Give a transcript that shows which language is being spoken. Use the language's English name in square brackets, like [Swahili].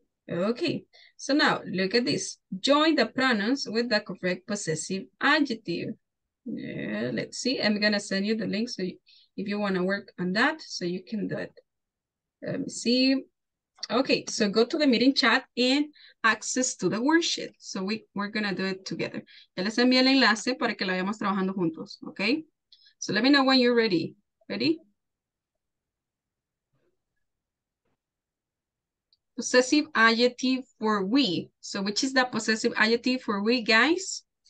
[English] Okay, so now look at this. Join the pronouns with the correct possessive adjective. Yeah, let's see. I'm gonna send you the link so if you want to work on that, so you can do it. Let me see. Okay, so go to the meeting chat and access to the worksheet. So we're gonna do it together. [Spanish] Ya les envié el enlace para que lo vayamos trabajando juntos. [English] Okay, so let me know when you're ready. Ready? Possessive adjective for we. So which is the possessive adjective for we, guys?